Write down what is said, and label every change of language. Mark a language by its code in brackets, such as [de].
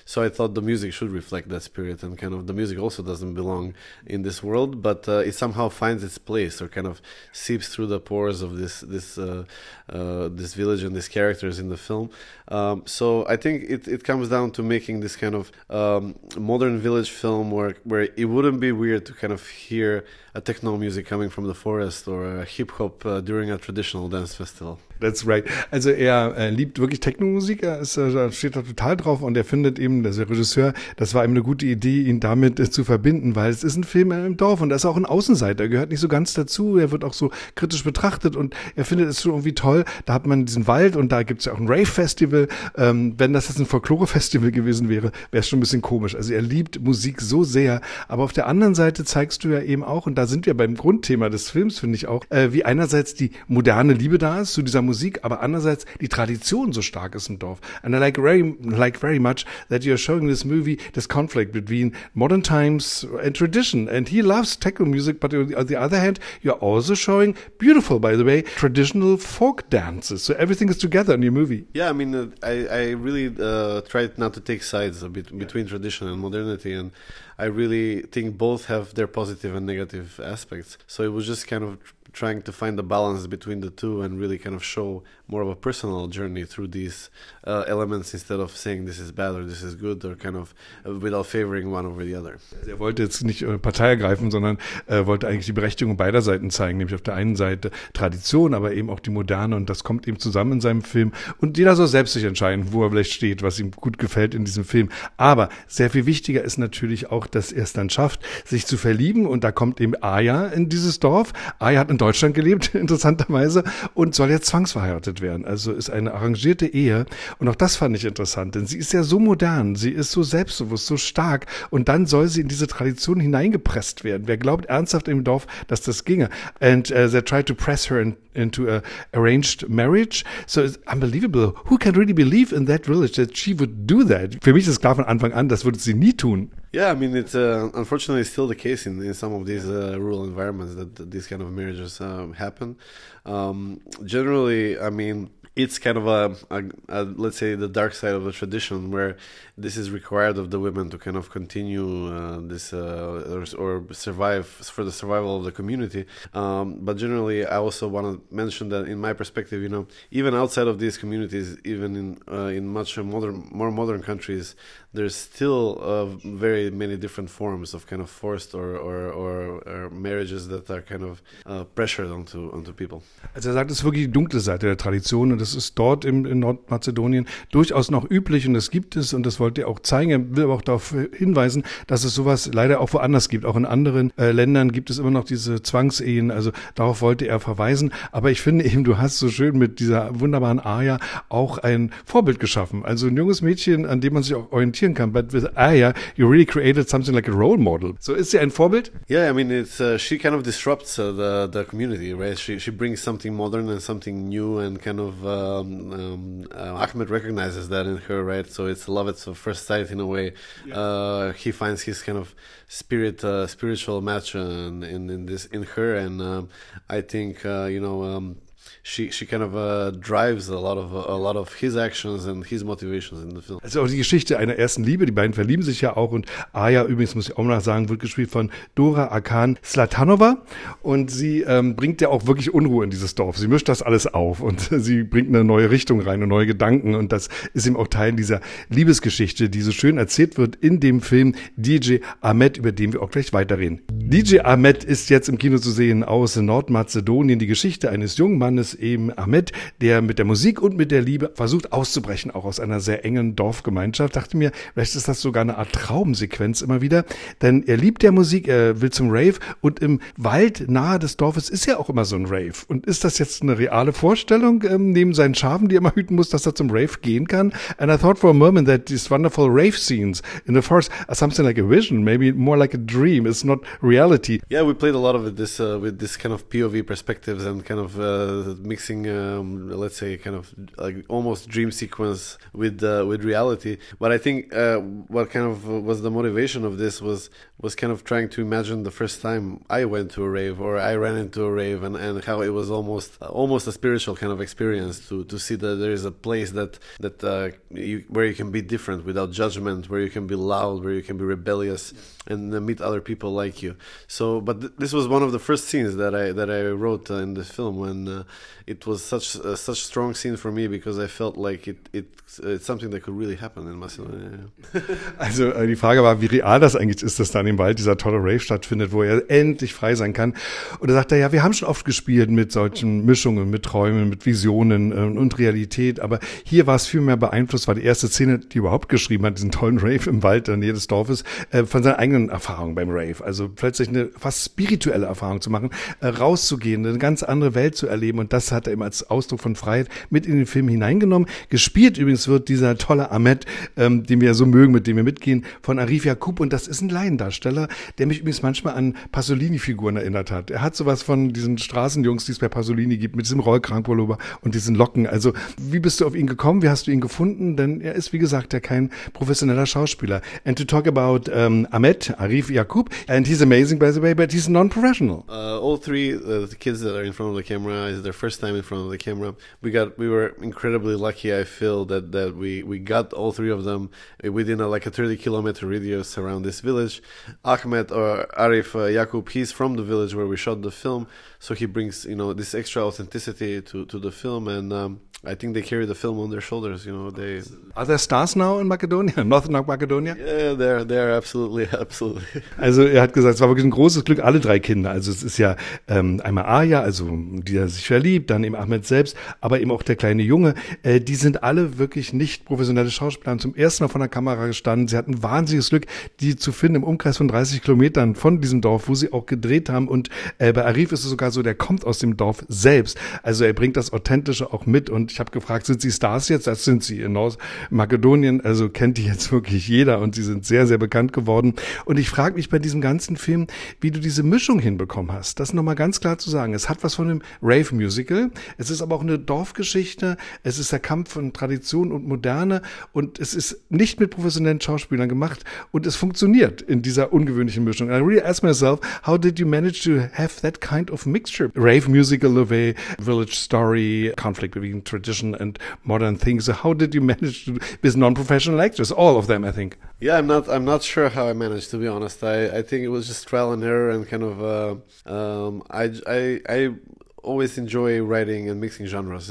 [en] So I thought the music should reflect that spirit, and kind of the music also doesn't belong in this world, but it somehow finds its place or kind of seeps through the pores of this village and these characters in the film. So I think it comes down to making this kind of modern village film where it wouldn't be weird to kind of hear a techno music coming from the forest or a hip-hop during a traditional dance festival. That's right. [de] Also er liebt wirklich Techno-Musik, steht da total drauf und er findet eben, der Regisseur, das war eben eine gute Idee, ihn damit zu verbinden, weil es ist ein Film im Dorf und er ist auch ein Außenseiter, er gehört nicht so ganz dazu, er wird auch so kritisch betrachtet und er findet es schon irgendwie toll, da hat man diesen Wald und da gibt es ja auch ein Rave-Festival. Wenn das jetzt ein Folklore-Festival gewesen wäre, wäre es schon ein bisschen komisch. Also er liebt Musik so sehr, aber auf der anderen Seite zeigst du ja eben auch, und da sind wir beim Grundthema des Films, finde ich auch, wie einerseits die moderne Liebe da ist zu dieser Musik, aber andererseits die Tradition so stark ist im Dorf. [en] And I like very much that you're showing this movie this conflict between modern times and tradition. And he loves techno music, but on the other hand, you're also showing beautiful, by the way, traditional folk dances. So everything is together in your movie. Yeah, I mean, I really tried not to take sides between tradition and modernity, and I really think both have their positive and negative aspects. So it was just kind of trying to find the balance between the two and really kind of show more of a personal journey through these elements instead of saying this is bad or this is good or kind of without favoring one over the other. [de] Er wollte jetzt nicht Partei ergreifen, sondern wollte eigentlich die Berechtigung beider Seiten zeigen, nämlich auf der einen Seite Tradition, aber eben auch die Moderne, und das kommt eben zusammen in seinem Film und jeder soll selbst sich entscheiden, wo er vielleicht steht, was ihm gut gefällt in diesem Film. Aber sehr viel wichtiger ist natürlich auch, dass er es dann schafft, sich zu verlieben, und da kommt eben Aya in dieses Dorf. Aya hat in Deutschland gelebt, interessanterweise, und soll jetzt zwangsverheiratet werden. Also ist eine arrangierte Ehe. Und auch das fand ich interessant, denn sie ist ja so modern, sie ist so selbstbewusst, so stark, und dann soll sie in diese Tradition hineingepresst werden. Wer glaubt ernsthaft im Dorf, dass das ginge? [en] And they tried to press her into an arranged marriage. So it's unbelievable. Who can really believe in that village that she would do that? [de] Für mich ist klar von Anfang an, das würde sie nie tun. [en] Yeah, I mean, it's unfortunately still the case in some of these rural environments that these kind of marriages happen. Generally, I mean, it's kind of a let's say the dark side of the tradition, where this is required of the women to kind of continue this or survive, for the survival of the community. But generally, I also want to mention that in my perspective, you know, even outside of these communities, even in much more modern countries, there's still very many different forms of kind of forced or marriages that are kind of pressured onto people. [de] Also er sagt, es ist wirklich die dunkle Seite der Tradition, und das ist dort in Nordmazedonien durchaus noch üblich, und das gibt es, und das wollte er auch zeigen. Er will aber auch darauf hinweisen, dass es sowas leider auch woanders gibt. Auch in anderen Ländern gibt es immer noch diese Zwangsehen, also darauf wollte er verweisen. Aber ich finde eben, du hast so schön mit dieser wunderbaren Aya auch ein Vorbild geschaffen. Also ein junges Mädchen, an dem man sich auch orientieren kann, [en] but with Aya, you really created something like a role model. [de] So ist sie ein Vorbild? [en] Yeah, I mean, it's she kind of disrupts the community, right? She brings something modern and something new, and kind of Ahmed recognizes that in her, right? So it's love at first sight in a way. Yeah. He finds his kind of spirit, spiritual match in this in her, and I think you know she kind of drives a lot of his actions and his motivations in the film. [de] Also die Geschichte einer ersten Liebe, die beiden verlieben sich ja auch, und Aya, übrigens muss ich auch noch sagen, wird gespielt von Dora Akan Slatanova, und sie bringt ja auch wirklich Unruhe in dieses Dorf. Sie mischt das alles auf und sie bringt eine neue Richtung rein und neue Gedanken, und das ist eben auch Teil dieser Liebesgeschichte, die so schön erzählt wird in dem Film DJ Ahmed, über den wir auch gleich weiterreden. DJ Ahmed ist jetzt im Kino zu sehen aus Nordmazedonien, die Geschichte eines jungen Mannes, eben Ahmed, der mit der Musik und mit der Liebe versucht auszubrechen, auch aus einer sehr engen Dorfgemeinschaft. Dachte mir, vielleicht ist das sogar eine Art Traumsequenz immer wieder, denn er liebt ja Musik, er will zum Rave, und im Wald nahe des Dorfes ist ja auch immer so ein Rave. Und ist das jetzt eine reale Vorstellung, neben seinen Schafen, die er immer hüten muss, dass er zum Rave gehen kann? [en] And I thought for a moment that these wonderful rave scenes in the forest are something like a vision, maybe more like a dream, it's not reality. Yeah, we played a lot of it with this kind of POV perspectives and kind of mixing, let's say, kind of like almost dream sequence with reality. But I think what kind of was the motivation of this was kind of trying to imagine the first time I went to a rave or I ran into a rave, and how it was almost a spiritual kind of experience to see that there is a place that you, where you can be different without judgment, where you can be loud, where you can be rebellious and meet other people like you. So, but this was one of the first scenes that I wrote in this film, and it was such a strong scene for me, because I felt like it's something that could really happen in Macedonia. [de] Also die Frage war, wie real das eigentlich ist, dass da in dem Wald dieser tolle Rave stattfindet, wo er endlich frei sein kann. Und da sagt er, ja, wir haben schon oft gespielt mit solchen Mischungen, mit Träumen, mit Visionen und Realität, aber hier war es viel mehr beeinflusst, war die erste Szene, die überhaupt geschrieben hat, diesen tollen Rave im Wald in der Nähe des Dorfes, von seiner eigenen Erfahrung beim Rave. Also plötzlich eine fast spirituelle Erfahrung zu machen, rauszugehen, eine ganz andere Welt zu erleben, und das hat er eben als Ausdruck von Freiheit mit in den Film hineingenommen. Gespielt übrigens wird dieser tolle Ahmed, den wir so mögen, mit dem wir mitgehen, von Arif Yacoub, und das ist ein Laiendarsteller, der mich übrigens manchmal an Pasolini-Figuren erinnert hat. Er hat sowas von diesen Straßenjungs, die es bei Pasolini gibt, mit diesem Rollkragenpullover und diesen Locken. Also wie bist du auf ihn gekommen? Wie hast du ihn gefunden? Denn er ist, wie gesagt, ja kein professioneller Schauspieler. [en] And to talk about Ahmed, Arif Yacoub, and he's amazing, by the way, but he's non-professional. All three, the kids that are in front of the camera, is their first time in front of the camera. We were incredibly lucky, I feel, that we got all three of them within a 30-kilometer radius around this village. Ahmed, or Arif Yacoub, he's from the village where we shot the film, so he brings, you know, this extra authenticity to the film, and I think they carry the film on their shoulders, you know. They are there stars now in Macedonia, North Macedonia? Yeah, they're absolutely, absolutely. [de] Also er hat gesagt, es war wirklich ein großes Glück, alle drei Kinder. Also es ist ja einmal Aya, also die er sich verliebt, dann eben Ahmed selbst, aber eben auch der kleine Junge. Die sind alle wirklich nicht professionelle Schauspieler, haben zum ersten Mal vor der Kamera gestanden. Sie hatten wahnsinniges Glück, die zu finden im Umkreis von 30 Kilometern von diesem Dorf, wo sie auch gedreht haben. Und bei Arif ist es sogar so, der kommt aus dem Dorf selbst. Also er bringt das Authentische auch mit. Und ich habe gefragt, sind sie Stars jetzt? Das sind sie in Nordmazedonien. Also kennt die jetzt wirklich jeder, und sie sind sehr, sehr bekannt geworden. Und ich frage mich bei diesem ganzen Film, wie du diese Mischung hinbekommen hast. Das nochmal ganz klar zu sagen. Es hat was von einem Rave-Musical. Es ist aber auch eine Dorfgeschichte. Es ist der Kampf von Tradition und Moderne. Und es ist nicht mit professionellen Schauspielern gemacht. Und es funktioniert in dieser ungewöhnlichen Mischung. [en] And I really ask myself, how did you manage to have that kind of mixture? Rave-Musical, the way village story, conflict between tradition and modern things. So how did you manage to be non-professional actors? All of them, I think. Yeah, I'm not sure how I managed, to be honest. I think it was just trial and error, and kind of I always enjoy writing and mixing genres.